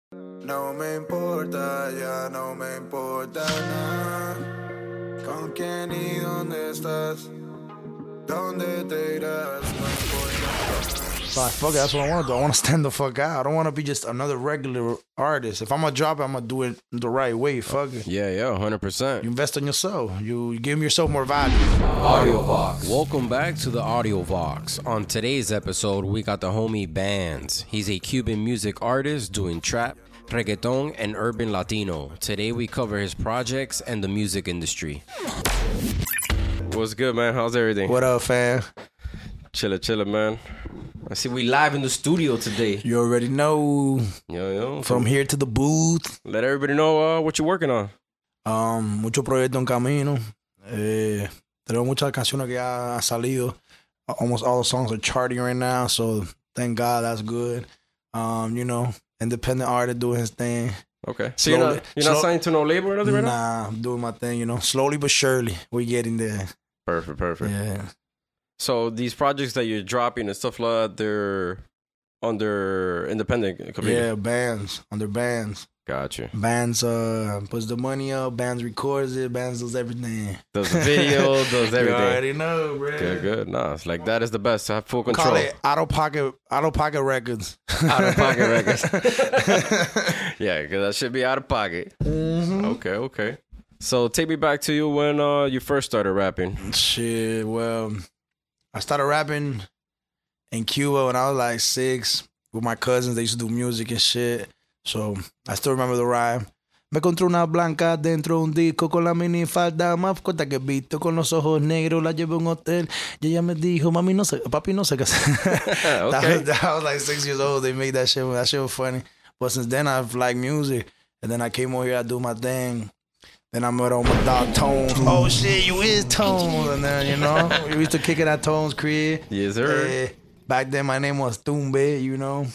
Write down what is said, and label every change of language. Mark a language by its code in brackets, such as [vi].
[es] No me importa, ya no me importa nada. Con quién y dónde estás, dónde te irás, no importa. [en] Like, fuck it, that's what I want to do. I want to stand the fuck out. I don't want to be just another regular artist. If I'm going to drop it, I'm going to do it the right way. Fuck it. Yeah, yeah, 100%. You invest in yourself. You give yourself more value. Audio Vox. Welcome back to the Audio Vox. On today's episode, we got the homie Bands. He's a Cuban music artist doing trap, reggaeton, and urban Latino. Today, we cover his projects and the music industry. What's good, man? How's everything? What up, fam? Chillin', chillin', man. I see we live in the studio today. You already know. Yo. From here to the booth. Let everybody know what you're working on. [es] Mucho proyecto en camino. Tengo muchas canciones que ya han salido. [en] Almost all the songs are charting right now, so thank God that's good. You know, independent artist doing his thing. Okay. So slowly, you're not signed to no label or nothing right now? Nah, I'm doing my thing, you know. Slowly but surely, we're getting there. Perfect, perfect. Yeah. So these projects that you're dropping and stuff like that, they're under independent community? Yeah, Bands. Under Bands. Gotcha. Bands puts the money up. Bands records it. Bands does everything. Does the video. Does everything. You already know, bro. Good, good. Nah, it's like that is the best. I have full control. Call it out of pocket records. Out of pocket records. Yeah, because that should be out of pocket. Mm-hmm. Okay, okay. So take me back to you when you first started rapping. Shit, well, I started rapping in Cuba when I was like 6 with my cousins. They used to do music and shit. So I still remember the rhyme. [es] Me encontré una blanca dentro de un disco con la mini falda más corta que he visto con los ojos negros. La llevé a un hotel. Y ella me dijo, mami, no sé, papi, no sé qué hacer. [en] Okay. I was like 6 years old. They made that shit. That shit was funny. But since then, I've liked music. And then I came over here, I do my thing. Then I met on my dog Tones. Oh shit, you is Tones. And then, you know, we used to kick it at Tones' crib. Yes, sir. Back then, my name was Tumbe, you know.